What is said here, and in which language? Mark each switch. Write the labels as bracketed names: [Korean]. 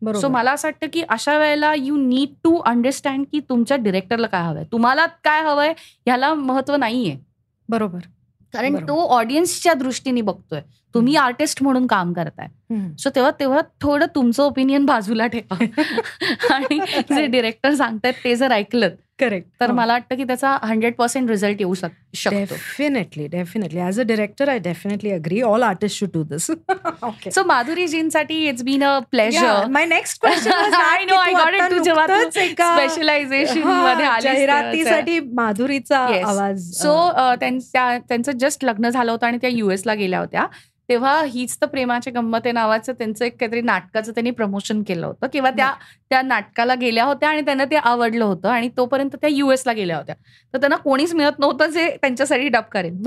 [Marathi] So मला असं वाटतं की अशा वेळेला [English] you need to understand [Marathi] की तुमच्या डिरेक्टरला काय हवंय तुम्हाला काय हवंय ह्याला महत्व नाहीये बरोबर कारण तो ऑडियन्सच्या दृष्टीने बघतोय तुम्ही आर्टिस्ट म्हणून काम करताय. सो तेव्हा थोडं तुमचं ओपिनियन बाजूला ठेवा आणि जे डिरेक्टर सांगतायत ते जर ऐकलं करेक्ट तर मला वाटतं की त्याचा 100% रिझल्ट येऊ शकतो. [English] Definitely definitely as a director I definitely agree all artist should do this. So माधुरीजींसाठी it's been a pleasure. My next question I know I got it too [Marathi] जेव्हा तू स्पेशलायझेशन मध्ये आली जाहिरातीसाठी माधुरीचा आवाज. सो त्यांचं जस्ट लग्न झालं होतं आणि त्या युएसला गेल्या होत्या तेव्हा हीच तर प्रेमाचे गंमत नावाचं त्यांचं एक काहीतरी नाटकाचं त्यांनी प्रमोशन केलं होतं किंवा त्या त्या नाटकाला गेल्या होत्या आणि त्यांना ते आवडलं होतं आणि तोपर्यंत त्या युएसला गेल्या होत्या तर त्यांना कोणीच मिळत नव्हतं जे त्यांच्यासाठी डब करेल.